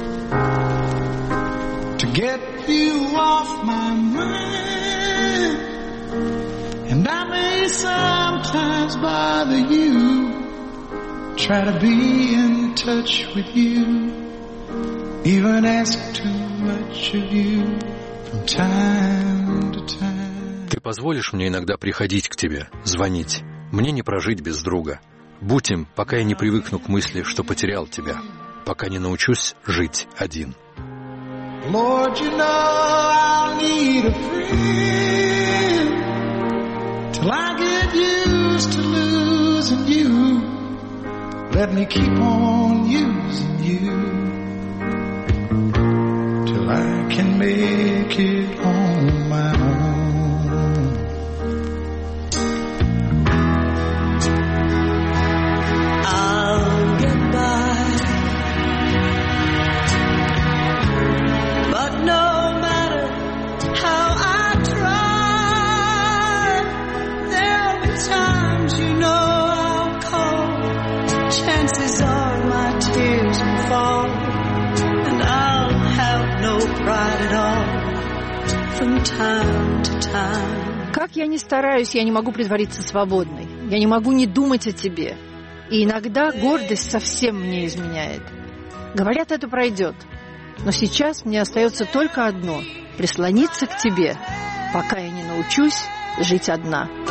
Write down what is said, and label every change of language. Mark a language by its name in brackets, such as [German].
[English] Get you off my mind, and I may sometimes bother you, try to be in touch with you, even ask too much of you from time to time. [Russian] Ты позволишь мне иногда приходить к тебе, звонить? Мне не прожить без друга. Будь им, пока я не привыкну к мысли, что потерял тебя, пока не научусь жить один. [English] Lord, you know I'll need a friend till I get used to losing you. Let me keep on using you till I can make it on my own. I'll get by, but no matter how I try, there'll be times, you know, I'll call. Chances are my tears will fall, and I'll have no pride at all from time to time. [Russian] Как я ни стараюсь, я не могу притвориться свободной. Я не могу не думать о тебе. И иногда гордость совсем мне изменяет. Говорят, это пройдет. Но сейчас мне остается только одно – прислониться к тебе, пока я не научусь жить одна.